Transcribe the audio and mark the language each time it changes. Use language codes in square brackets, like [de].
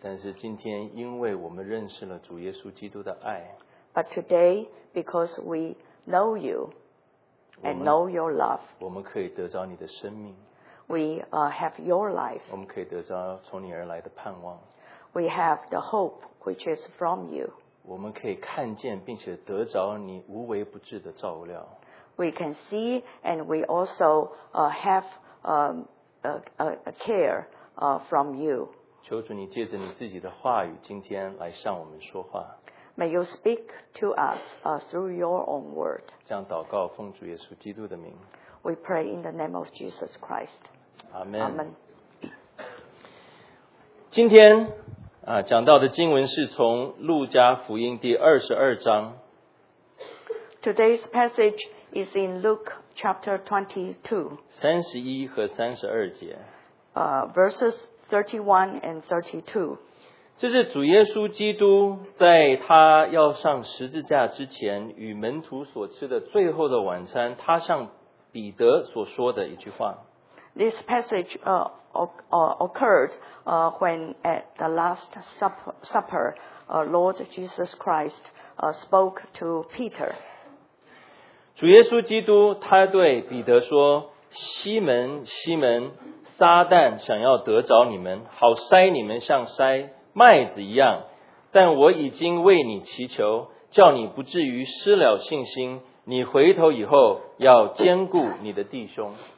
[zh] 但是今天，因为我们认识了主耶稣基督的爱 [en] ，But today, because we know you and know your love, [zh] 我们可以得着你的生命 [en] ，We have your life. [zh] 我们可以得着从你而来的盼望 [en] ，We have the hope which is from you. [zh] 我们可以看见并且得着你无微不至的照料 [en] ，We can see and we also have a care. From you. [zh] 求主你借着你自己的话语今天来向我们说话。 [en] May you speak to us through your own word. [zh] 这样祷告奉主耶稣基督的名。 [en] We pray in the name of Jesus Christ. Amen. Amen. [zh] 今天讲到的经文是从路加福音第22章。 [en] Today's passage is in Luke chapter 22. [zh] 31和32节。 [en] Verses 31 and 32. [zh] 这是主耶稣基督在他要上十字架之前与门徒所吃的最后的晚餐，他向彼得所说的一句话。 [en] This passage occurred when at the last supper, Lord Jesus Christ spoke to Peter. [zh] 主耶稣基督他对彼得说，西门西门，撒旦想要得着你们，好筛你们像筛麦子一样，但我已经为你祈求，叫你不至于失了信心，你回头以后要坚固你的弟兄。